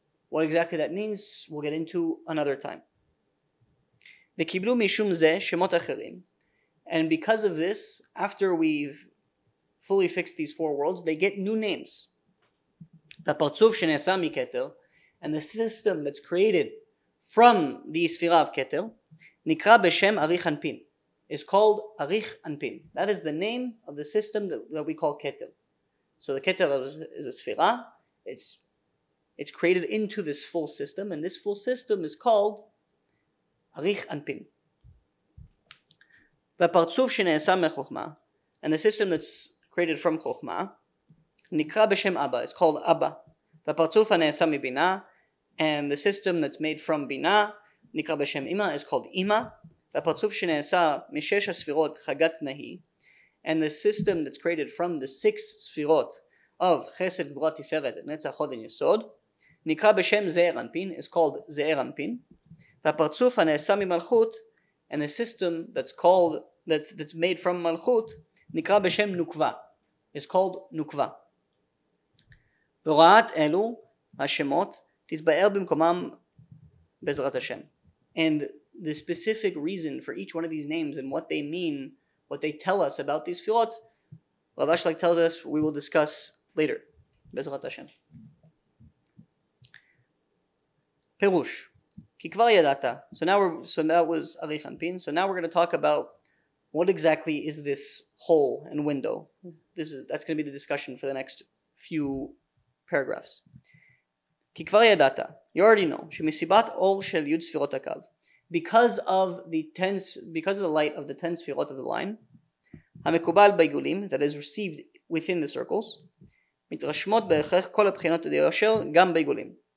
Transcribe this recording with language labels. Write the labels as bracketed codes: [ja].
[en] What exactly that means, we'll get into another time. [he] וקיבלו משום זה שמות אחרים. [en] And because of this, after we've fully fixed these four worlds, they get new names. [he] והפרצוף שנעשה מכתר, [en] and the system that's created from the ספירה of כתר, [he] נקרא בשם אריך אנפין, [en] is called [he] אריך אנפין. That is the name of the system that we call כתר. So the כתר is a ספירה, it's created into this full system, and this full system is called אריך אנפין. והפרצוף שנעשה מחוכמה, [en] and the system that's created from [he] חוכמה, נקרא בשם אבא, [en] it's called [he] אבא. והפרצוף הנעשה מבינה, [en] and the system that's made from [he] בינה, נקרא בשם אמא, [en] is called [he] אמא. והפרצוף שנעשה משש הספירות, חגת נהי, [en] and the system that's created from the six ספירות of [he] חסד, גבורה, תפארת, נצח, הוד, יסוד, נקרא בשם זעיר אנפין, [en] is called [he] זעיר אנפין. והפרצוף הנעשה ממלכות, [en] and the system that's called, that's made from מלכות, [he] נקרא בשם נוקבה, [en] is called נוקבה. [he] בהוראת אלו השמות תתבאר במקומם בעזרת השם. [en] And the specific reason for each one of these names and what they mean, what they tell us about these ספירות, Rav Ashlag tells us, we will discuss later, [he] בעזרת השם. פירוש, כי כבר ידעת, [en] so that was אריך אנפין, so now we're going to talk about what exactly is this hole and window. That's going to be the discussion for the next few paragraphs. [he] כי כבר ידעת, [en] you already know, [he] שמסיבת אור של יוד ספירות הקו, [en] because of the light of the 10 ספירות of the line, [he] המקובל בעיגולים, [en] that is received within the circles, [he] מתרשמות בהכרח כל הבחינות היושר גם בעיגולים.